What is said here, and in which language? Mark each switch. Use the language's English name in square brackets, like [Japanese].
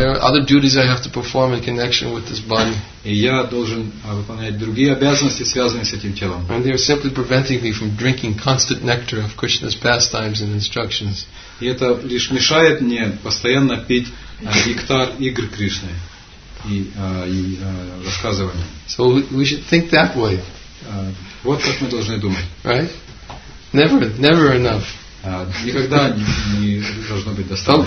[English] There are other duties I have to perform in connection with this body. [Russian] И я должен выполнять другие обязанности, связанные с этим телом. [English] And they are simply preventing me from drinking constant nectar of Krishna's pastimes and instructions. [Russian] И это лишь мешает мне постоянно пить нектар игр Кришны и рассказывания. [English] So we should think that way. [Russian] Вот как мы должны думать. [English] Right? Never enough. [Russian] Никогда не должно быть достаточно.